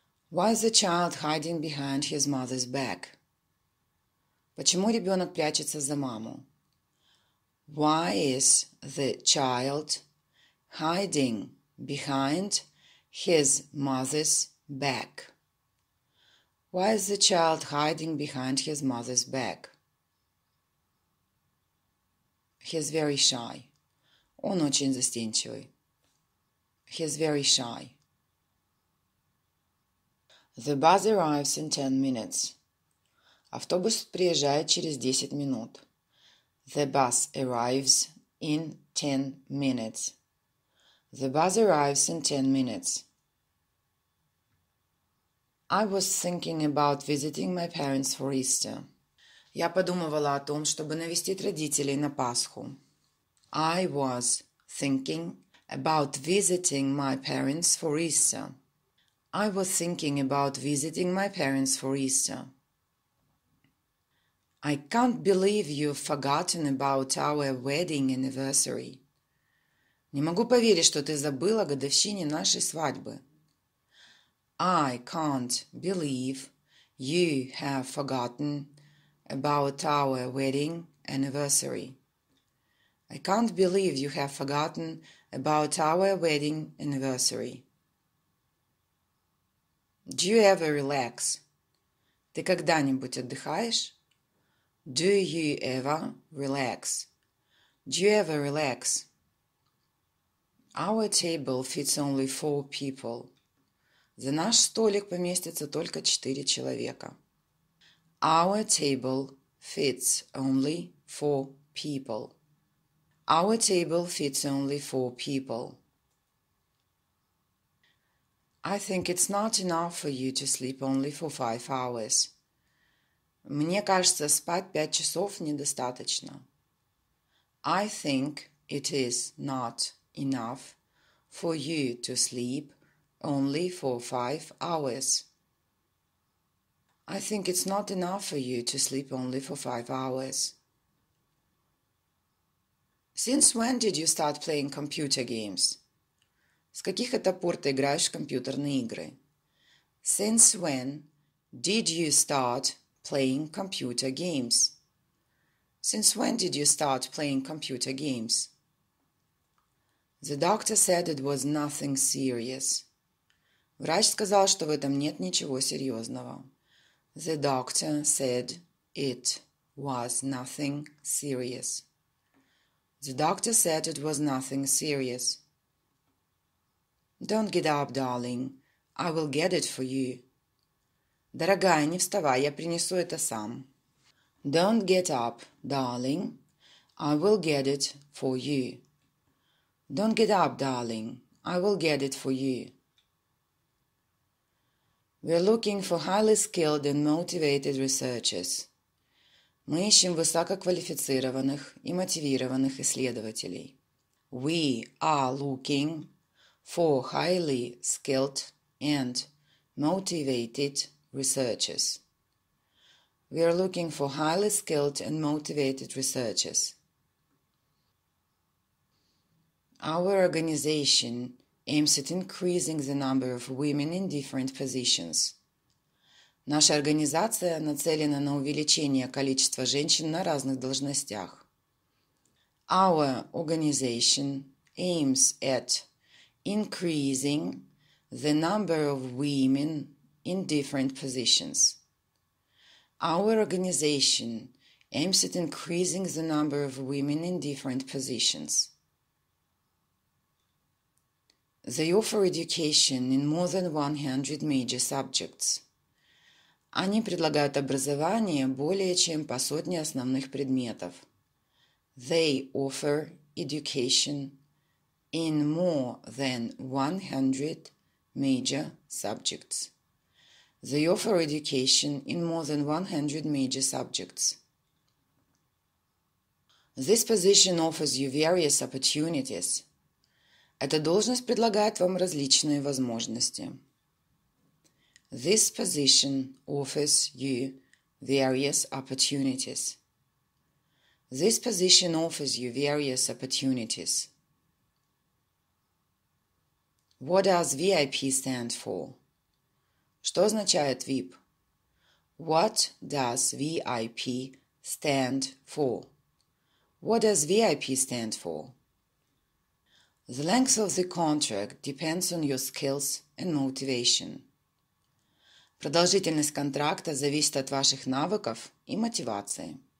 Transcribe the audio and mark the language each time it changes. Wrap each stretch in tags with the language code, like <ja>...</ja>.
<en>Why is the child hiding behind his mother's back?</en> <ru>Почему ребенок прячется за маму?</ru> <en>Why is the child hiding behind his mother's back? Why is the child hiding behind his mother's back? He is very shy.</en> <ru>Он очень застенчивый.</ru> <en>He is very shy. The bus arrives in 10 minutes.</en> <ru>Автобус приезжает через 10 минут.</ru> <en>The bus arrives in 10 minutes. The bus arrives in 10 minutes. I was thinking about visiting my parents for Easter.</en> <ru>Я подумывала о том, чтобы навестить родителей на Пасху.</ru> <en>I was thinking about visiting my parents for Easter. I was thinking about visiting my parents for Easter. I can't believe you've forgotten about our wedding anniversary.</en> <ru>Не могу поверить, что ты забыла о годовщине нашей свадьбы.</ru> <en>I can't believe you have forgotten about our wedding anniversary. I can't believe you have forgotten about our wedding anniversary. Do you ever relax?</en> <ru>Ты когда-нибудь отдыхаешь?</ru> <en>Do you ever relax? Do you ever relax? Our table fits only 4 people.</en> <ru>За наш столик поместится только 4 человека.</ru> <en>Our table fits only 4 people. Our table fits only 4 people. I think it's not enough for you to sleep only for 5 hours.</en> <ru>Мне кажется, спать 5 часов недостаточно.</ru> <en>I think it is not enough for you to sleep only for 5 hours. I think it's not enough for you to sleep only for 5 hours. Since when did you start playing computer games?</en> <ru>С каких это пор ты играешь в компьютерные игры?</ru> <en>Since when did you start playing computer games? Since when did you start playing computer games? The doctor said it was nothing serious.</en> <ru>Врач сказал, что в этом нет ничего серьезного.</ru> <en>The doctor said it was nothing serious. The doctor said it was nothing serious. Don't get up, darling. I will get it for you.</en> <ru>Дорогая, не вставай, я принесу это сам.</ru> <en>Don't get up, darling. I will get it for you. Don't get up, darling. I will get it for you. We're looking for highly skilled and motivated researchers.</en> <ru>Мы ищем высококвалифицированных и мотивированных исследователей.</ru> <en>We are looking for highly skilled and motivated researchers. We are looking for highly skilled and motivated researchers. Our organization aims at increasing the number of women in different positions.</en> <ru>Наша организация нацелена на увеличение количества женщин на разных должностях.</ru> <en>Our organization aims at increasing the number of women in different positions. Our organization aims at increasing the number of women in different positions. They offer education in more than 100 major subjects.</en> <ru>Они предлагают образование более чем по сотне основных предметов.</ru> <en>They offer education in more than 100 major subjects. They offer education in more than 100 major subjects. This position offers you various opportunities.</en> <ru>Эта должность предлагает вам различные возможности.</ru> <en>This position offers you various opportunities. This position offers you various opportunities. What does VIP stand for?</en> <ru>Что означает VIP?</ru> <en>What does VIP stand for? What does VIP stand for? The length of the contract depends on your skills and motivation.</en> <ru>Продолжительность контракта зависит от ваших навыков и мотивации.</ru>